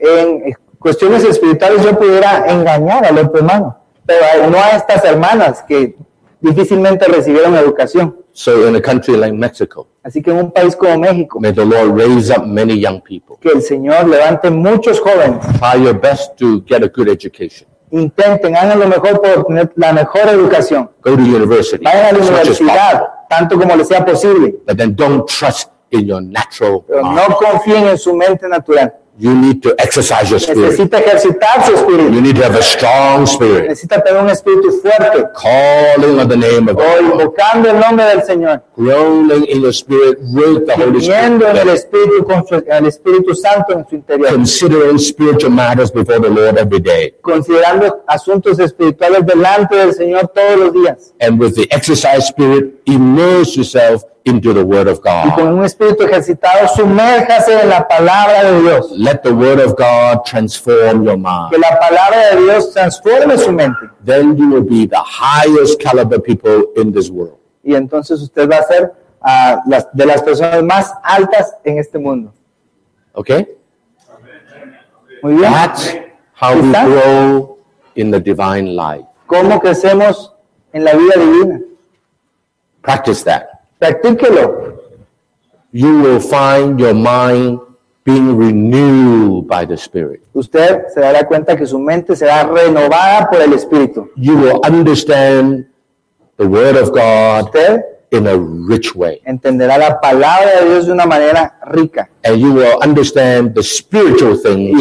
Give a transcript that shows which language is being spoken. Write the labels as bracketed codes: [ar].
[es] En cuestiones espirituales, yo pudiera engañar al otro hermano, pero no a estas hermanas que difícilmente recibieron educación. [en] So in a country like Mexico, [es] así que en un país como México, [en] may the Lord raise up many young people. [es] Que el Señor levante muchos jóvenes. [en] Try your best to get a good education. [es] Intenten, hagan lo mejor por tener la mejor educación. [en] Go to university. [es] Vayan a la universidad, tanto como les sea posible. [en] But then don't trust in your natural mind. [es] Pero no confíen en su mente natural. [en] You need to exercise your spirit. [es] Necesita ejercitar su espíritu. [en] You need to have a strong spirit. [es] Necesita tener un espíritu fuerte. [en] Calling on the name of God. [es] Invocando el nombre del Señor. [en] Growing in your spirit with the Holy Spirit. [es] En el espíritu con el Espíritu Santo en su interior. [en] Considering spiritual matters before the Lord every day. [es] Considerando asuntos espirituales delante del Señor todos los días. [en] And with the exercised spirit, immerse yourself into the Word of God. [es] Y con un espíritu ejercitado, sumérjase en la palabra de Dios. [en] Let the Word of God transform your mind. [es] Que la palabra de Dios transforme su mente. [en] Then you will be the highest caliber people in this world. [es] Y entonces usted va a ser de las personas más altas en este mundo. [en] Okay? [es] Muy bien. [en] That's how we grow in the divine life. [es] ¿Cómo crecemos en la vida divina? [en] Practice that. [es] Practíquelo. [en] You will find your mind being renewed by the Spirit. [es] Usted se dará cuenta que su mente será renovada por el Espíritu. [en] You will understand the Word of God. [es] Usted [en] in a rich way. [es] Entenderá la palabra de Dios de una manera rica. [en] And you will understand the spiritual things.